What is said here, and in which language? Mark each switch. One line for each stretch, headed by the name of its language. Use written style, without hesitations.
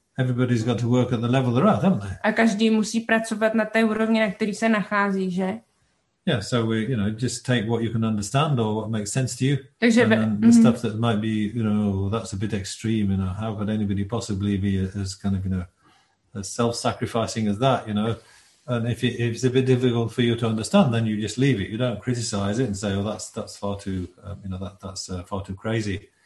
English: Everybody's got to work at the level they're at, haven't they?
Czech: A každý musí pracovat na té úrovni, na který se nachází, že?
English: Yeah, so we, you know, just take what you can understand or what makes sense to you.
Czech: Takže
English: the stuff that might be, you know, that's a bit extreme, you know, how could anybody possibly be as kind of, you know, as self-sacrificing as that, you know? And if it's a bit difficult for you to understand, then you just leave it. You don't criticize it and say, "Oh, that's far too, you know, that's far too crazy."